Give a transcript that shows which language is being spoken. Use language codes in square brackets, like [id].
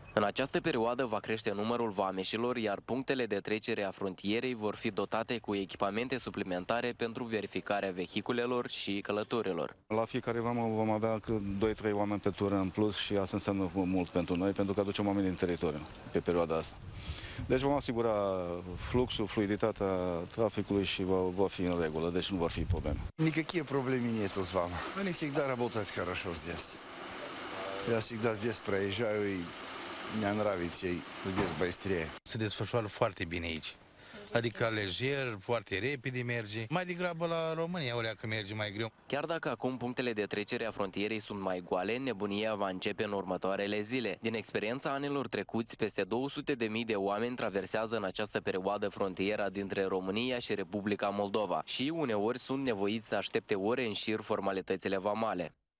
[ro] În această perioadă va crește numărul vameșilor, iar punctele de trecere a frontierei vor fi dotate cu echipamente suplimentare pentru verificarea vehiculelor și călătorilor. La fiecare vamă vom avea 2-3 oameni pe tură în plus și asta înseamnă mult pentru noi, pentru că aducem oameni din teritoriu pe perioada asta. Deci vom asigura fluxul, fluiditatea traficului și va fi în regulă, deci nu vor fi probleme. [ru] Никакие проблемы нет с вами. Они всегда работают хорошо здесь. Я всегда здесь проезжаю и мне нравится здесь быстрее. [ro] Se desfășoară foarte bine aici. Adică lejer, foarte repede merge. Mai degrabă la România, orea că merge mai greu. Chiar dacă acum punctele de trecere a frontierei sunt mai goale, nebunia va începe în următoarele zile. Din experiența anilor trecuți, peste 200.000 de oameni traversează în această perioadă frontiera dintre România și Republica Moldova și uneori sunt nevoiți să aștepte ore în șir formalitățile vamale.